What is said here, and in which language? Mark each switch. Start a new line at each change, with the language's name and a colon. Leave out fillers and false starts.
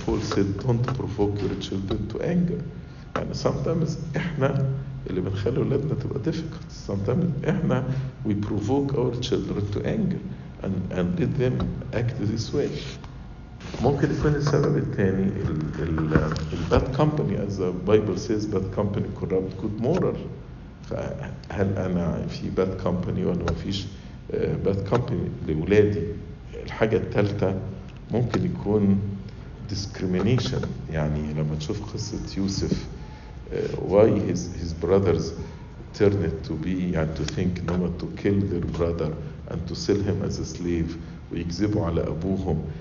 English: Paul said don't provoke your children to anger.
Arabic: يعني sometimes احنا اللي بنخلي ولادنا تبقى difficult.
English: Sometimes احنا we provoke our children to anger and let them act this way.
Arabic: ممكن يكون السبب الثاني ال bad company.
English: as the Bible says bad company corrupt good moral.
Arabic: فهل أنا في bad company ولا ما فيش bad company لولادي؟ الحاجة الثالثة ممكن يكون discrimination. يعني لما تشوف قصة يوسف
English: why his brothers turned to be and to think not to kill their brother and to sell him as a slave
Arabic: ويكذبوا على أبوهم.